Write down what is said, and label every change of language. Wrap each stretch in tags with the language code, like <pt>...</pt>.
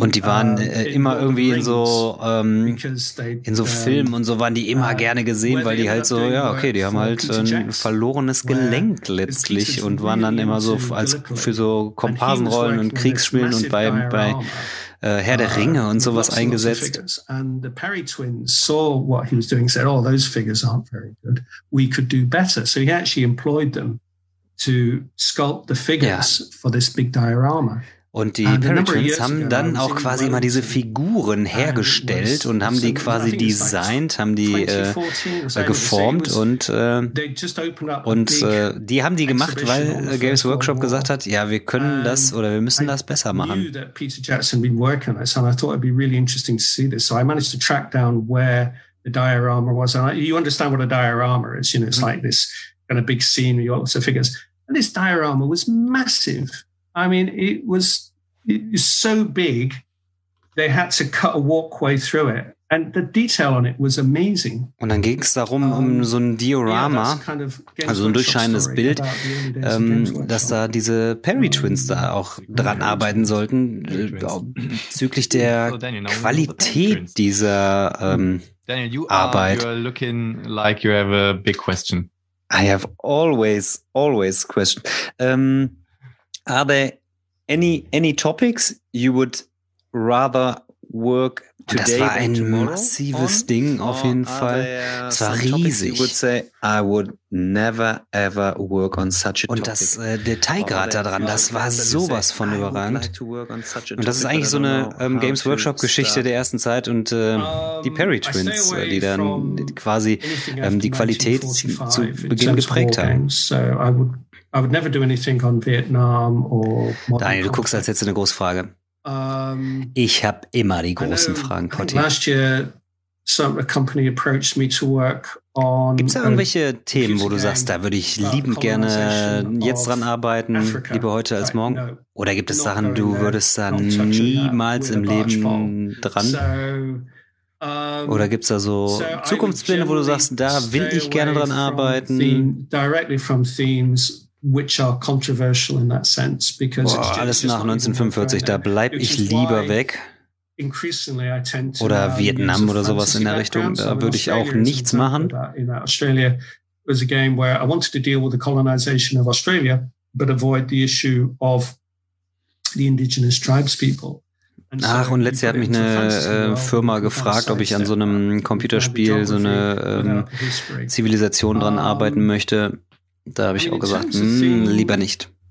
<de>und die waren immer irgendwie in so Filmen und so waren die immer gerne gesehen, weil die halt so, ja, okay, die haben halt ein verlorenes Gelenk letztlich und waren dann immer so als für so Komparsenrollen und Kriegsspielen und bei Herr der Ringe und sowas eingesetzt.</de> <en>And the Perry twins saw what he was doing, said, oh, those figures aren't very good. We could do better. So he actually employed them to sculpt the figures for this big diorama.</en> <de>Und die Perry Twins haben dann auch quasi immer diese Figuren hergestellt und haben die quasi designt, haben die geformt und die haben die gemacht, weil Games Workshop gesagt hat, ja, wir können das oder wir müssen das besser machen.</de> <en>Peter Jackson been working on this and I thought it'd be really interesting to see this. So I managed to track down where the diorama was. You understand what a diorama is, you know, it's like this kind of big scene with lots of figures. And this diorama was massive. I mean, it was so big, they had to cut a walkway through it. And the detail on it was amazing.</en> <de>Und dann ging es darum, um so ein Diorama, also so ein durchscheinendes Bild, dass da diese Perry Twins da auch dran arbeiten sollten, bezüglich der Qualität dieser Arbeit.</de> <en>Daniel, you are looking like you have a big question. I have always question. Are there any topics you would rather work today?</en> <de>Das war ein massives Ding auf jeden Fall. Es war riesig.</de> <en>You would say I would never ever work on such a topic.</en> <de>Und das Detailgrad daran, das war sowas von überragend. Und das ist eigentlich so eine Games Workshop Geschichte der ersten Zeit und die Perry Twins, die dann quasi die Qualität zu Beginn geprägt haben.</de> <en>I would never do anything on Vietnam or</en> <de>Daniel, du guckst als hättest du eine große Frage. Ich habe immer die großen Fragen, Kotti.</de> <en>Last year, a company approached me to work on.</en> <de>Gibt es da irgendwelche Themen, wo du sagst, da würde ich liebend gerne jetzt dran arbeiten, lieber heute als morgen? Oder gibt es Sachen, du würdest da niemals im Leben dran? Oder gibt es da so Zukunftspläne, wo du sagst, da will ich gerne dran arbeiten?</de> <en>Directly from themes, which are controversial in that sense, because</en> <de>boah, it's alles nach 1945, da bleib ich lieber weg.</de> <en>Increasingly I tend to,</en> <de>oder Vietnam oder sowas in der Richtung, da würde ich auch nichts machen.</de> <en>In Australia was a game where I wanted to deal with the colonization of Australia, but avoid the issue of the indigenous tribes people.</en> <de>Ach, und letztes Jahr hat mich eine Firma gefragt, ob ich an so einem Computerspiel so eine Zivilisation dran arbeiten möchte. Da habe ich auch gesagt, lieber nicht.</de>